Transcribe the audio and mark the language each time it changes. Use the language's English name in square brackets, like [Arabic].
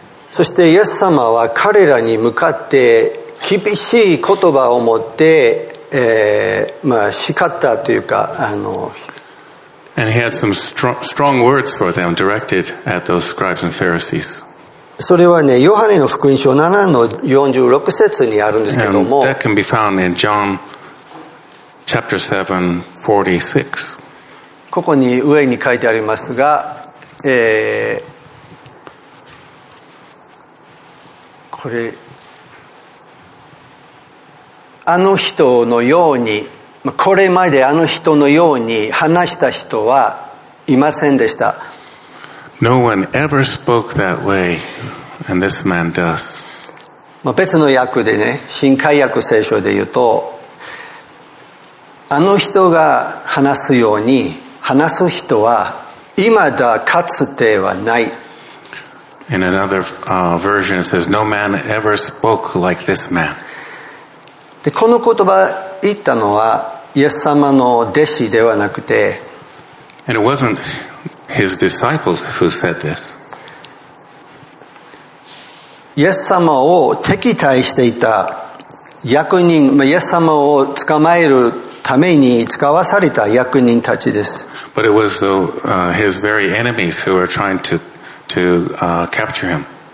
[Japanese] そしてイエス様は彼らに向かって厳しい言葉を持って、叱ったというか、 [English] And he had some strong words for them directed at those scribes and Pharisees. [Japanese] それはね、ヨハネの福音書7の46節にあるんですけども。 [English] And that can be found in John chapter 7, 46. [Japanese] ここに上に書いてありますが、これ、あの人のように、これまであの人のように話した人はいませんでした。 [English] No one ever spoke that way, and this man does. [Japanese] 別の訳でね、新改訳聖書で言うと、あの人が話すように話す人は今だかつてはない。 [English] In another version, it says, No man ever spoke like this man. [Japanese] で、この言葉言ったのは、イエス様の弟子ではなくて、 [English] And it wasn't his disciples who said this. [Japanese] イエス様を敵対していた役人、イエス様を捕まえるために使わされた役人たちです。 [English] But it was his very enemies who were trying to capture him.